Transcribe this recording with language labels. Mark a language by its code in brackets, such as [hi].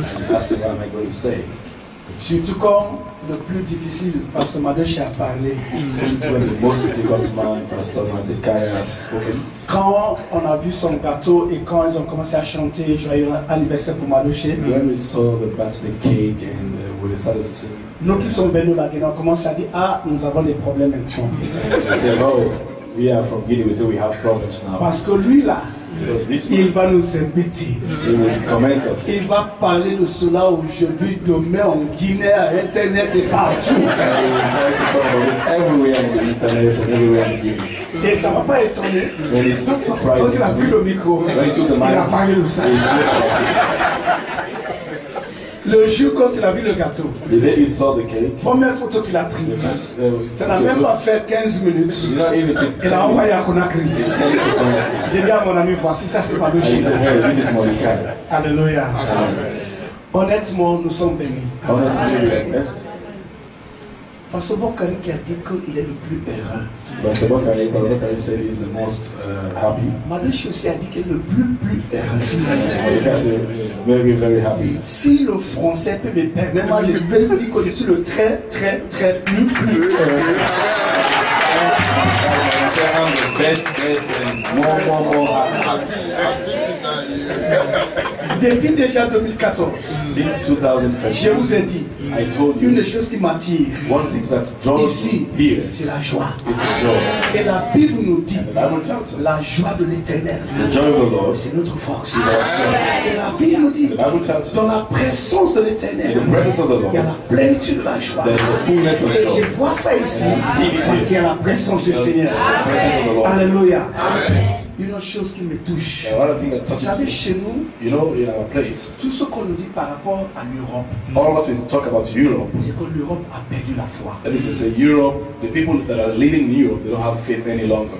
[en] I ask you, what am I going to say? [fr] Surtout quand le plus difficile, Pastor Madoche a parlé. [en] Since when the most difficult man, Pastor Madekai, has spoken. [fr] Quand on a vu son gâteau et quand ils ont commencé à chanter joyeux anniversaire pour Madoche. [en] When we saw the birthday cake and we decided to sing. [fr] Nous qui sommes venus là, on commence à dire, ah, nous avons des problèmes maintenant. [en] I said, oh, we are from Guinea, we say we have problems now. [fr] Parce que lui là, il va nous embêter. [en] He will torment us. [fr] Il va parler de cela aujourd'hui, demain, en Guinée, à Internet et partout. [en] He will try to talk about it everywhere on the Internet and everywhere in Guinea. [fr] Et ça ne m'a pas étonné. [en] And it's not surprising. [fr] Quand il a pris le micro, il a parlé de ça. Le jour quand il a vu le gâteau, [en] the day he saw the cake, [fr] première photo qu'il a prise, ça n'a même pas fait 15 minutes. [en] You know, even to [fr] il a envoyé à Conakry. J'ai dit à mon ami, voici, ça c'est pas le chien. Alléluia. Honnêtement, nous sommes bénis. [en] Honestly, we are blessed. [fr] Pastor Bokari qui a dit qu'il est le plus heureux. [en] Pastor Bokari, Bokari said he is the most happy. [fr] Madoche aussi a dit qu'il est le plus heureux. [en] Very, very happy. [fr] Si le français peut me permettre, je vais lui dire que je suis le très, très, très plus heureux. [en] I'm the best person. More happy. [fr] Depuis déjà 2014, [en] since 2014, [fr] je vous ai dit [en] I told you, [fr] une chose qui m'attire [en] one thing that draws [fr] ici, [en] here, [fr] c'est la joie. [en] It's the joy. [fr] Et la Bible nous dit [en] us, [fr] la joie de l'Éternel, [en] the joy of the Lord, [fr] c'est notre force. [en] Is our strength. [fr] Et la Bible nous dit [en] the Bible tells us, [fr] dans la présence de l'Éternel, [en] in the presence of the Lord, [fr] il y a la plénitude de la joie. [en] There's the fullness of the joy. [fr] Et je vois ça ici parce qu'il y a la présence du Seigneur. Alléluia. Une autre chose qui me touche. Vous savez, chez nous, [en] you know, in our place, [fr] tout ce qu'on nous dit par rapport à l'Europe, [en] all that we talk about Europe, [fr] c'est que l'Europe a perdu la foi. [en] That is to say, Europe, the people that are living in Europe, they don't have faith any longer.